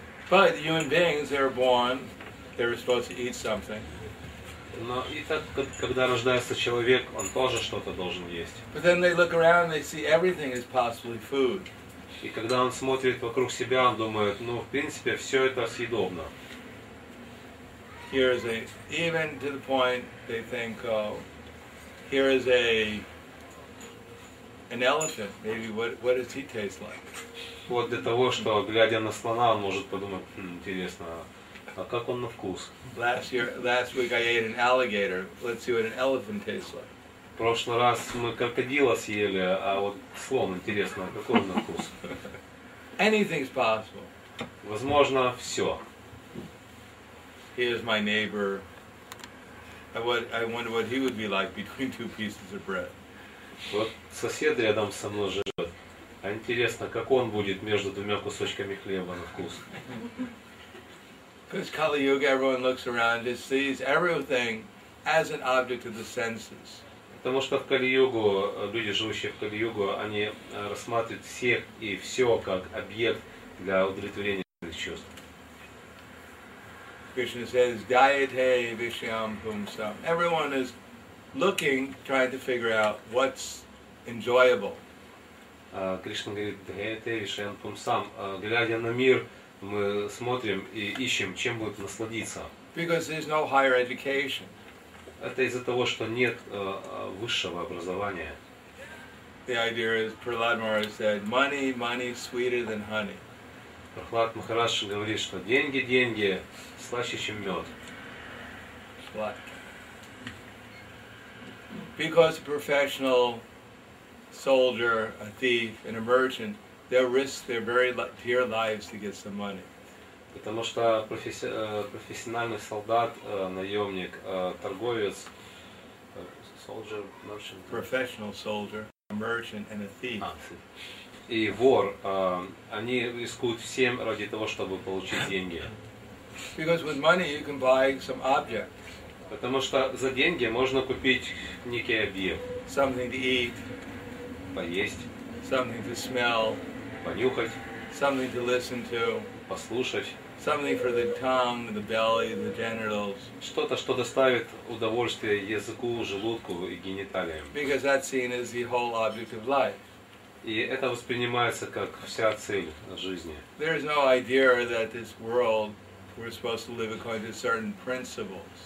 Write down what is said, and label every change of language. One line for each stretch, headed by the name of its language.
English: But human beings, they're born, they're supposed to eat something.
Russian: Но и так, когда рождается человек, он тоже что-то должен есть.
English: But then they look around and they see everything is possibly food.
Russian: И когда он смотрит вокруг себя, он думает, ну, в принципе, все это съедобно.
English: Here is a, even to the point they think, oh, here is a an elephant. Maybe what does he taste like?
Russian: Вот для того, что глядя на слона, он может подумать, интересно, а как он на вкус?
English: Last week I ate an alligator. Let's see what an elephant tastes like.
Russian: прошлый раз мы крокодила съели, а вот слон, интересно, какой он на вкус?
English: Anything's possible.
Russian: Возможно, все.
English: Here's my neighbor. I wonder what he would be like between two pieces of bread.
Russian: Вот сосед рядом со мной живет. А интересно, как он будет между двумя кусочками хлеба на вкус?
English: Because Kali Yuga, everyone looks around and sees everything as an object of the senses.
Russian: Потому что в Кали-Югу, люди, живущие в Кали-Югу, они рассматривают всех и все как объект для удовлетворения своих чувств.
English: Krishna says,
Sanskrit: Gayate Vishyam Pumsam.
English: Everyone is looking, trying to figure out what's enjoyable.
Sanskrit: Krishna
Russian: говорит,
Sanskrit: Gayate Vishyam Pumsam.
Russian: Глядя на мир, мы смотрим и ищем, чем будет насладиться.
English: Because there's no higher education.
Russian: Это из-за того, что нет высшего образования.
English: The idea is, Prahlad Maharaj said, money, money sweeter than honey.
Russian: Прохлад Махараш говорит, что деньги, деньги слаще, чем мед.
English: Because a professional soldier, a thief, an merchant, they'll risk their very dear lives to get some money.
Russian: Потому что профессиональный солдат, наемник, торговец,
English: soldier, merchant. Professional soldier, a merchant, and a thief.
Russian: И вор, они рискуют всем ради того, чтобы получить деньги.
English: Because with money you can buy some object.
Russian: Потому что за деньги можно купить некий объект.
English: Something to eat.
Russian: Поесть.
English: Something to smell.
Russian: Понюхать.
English: Something to listen to.
Russian: Послушать.
English: Something for the tongue, the belly, the genitals.
Russian: Что-то, что доставит удовольствие языку, желудку и гениталиям.
English: Because that's seen as the whole object of life.
Russian: И это воспринимается как вся цель жизни.
English: There is no idea that this world we're supposed to live according to certain principles.